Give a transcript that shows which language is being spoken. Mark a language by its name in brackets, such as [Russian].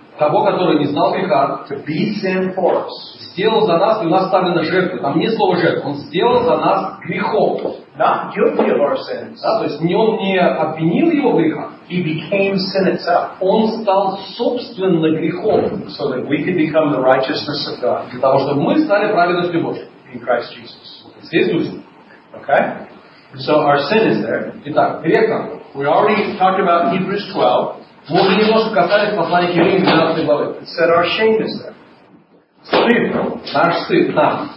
[Russian] того, который не знал греха, [English] to be sin for us. [Russian] Сделал за нас, и у нас ставлена жертва. Там не слово жертва, Он сделал за нас грехом. [English] Not guilty of our sins. [Russian] Да, то есть не Он не обвинил Его в грехах. [English] He became sin itself. [Russian] Он стал собственно грехом. [English] So that we could become the righteousness of God. [Russian] Для того, чтобы мы стали праведностью Божьей. [English] In Christ Jesus. [Russian] С Иисусом. [English] Okay? So our sin is there. [Russian] Итак, грех там. [English] We already talked about Hebrews 12. [Russian] Мы уже немножко касались послания к Евреям 12 главы. [English] It said our shame is there. [Russian] Стыд. Наш стыд там.